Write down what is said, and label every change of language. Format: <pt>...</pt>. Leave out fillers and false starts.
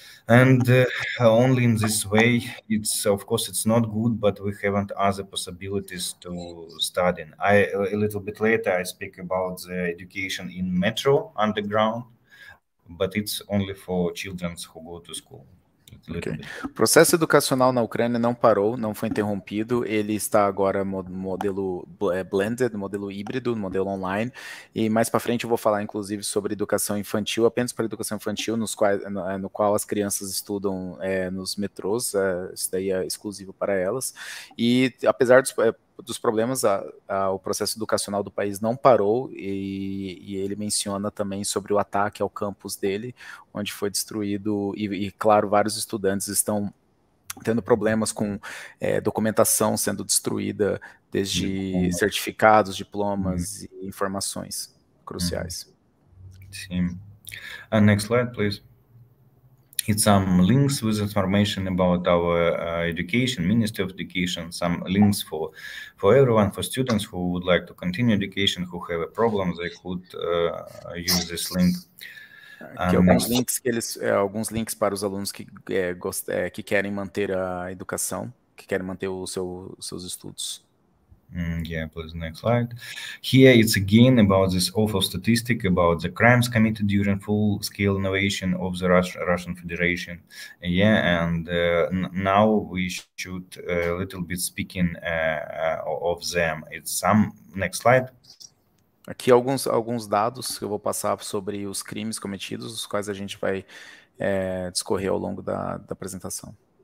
<en>And only in this way, it's of course it's not good, but we haven't other possibilities to study. I a little bit later I speak about the education in metro underground, but it's only for children who go to school. Okay.</en> <pt>O processo educacional na Ucrânia não parou, não foi interrompido, ele está agora no modelo blended, modelo híbrido, modelo online, e mais para frente eu vou falar inclusive sobre educação infantil, apenas para educação infantil, no qual as crianças estudam nos metrôs, isso daí é exclusivo para elas, e apesar dos problemas, o processo educacional do país não parou, e ele menciona também sobre o ataque ao campus dele, onde foi destruído, e claro, vários estudantes estão tendo problemas com documentação sendo destruída, desde certificados, diplomas e informações cruciais.</pt> <en>Sim. Next slide, please. It's some links with information about our education, Ministry of Education, some links for everyone, for students who would like to continue education, who have a problem, they could use this link.</en> <pt>Alguns links para os alunos que querem manter a educação. que querem manter o seu, seus estudos.</pt> <en>Yeah, please, next slide. Here it's again about this awful statistic about the crimes committed during full-scale invasion of the Russian Federation. Yeah, and now we should a little bit speaking of them. It's some, next slide.</en> <pt>Aqui alguns, alguns dados que eu vou passar sobre os crimes cometidos, os quais a gente vai discorrer ao longo da, da apresentação.</pt>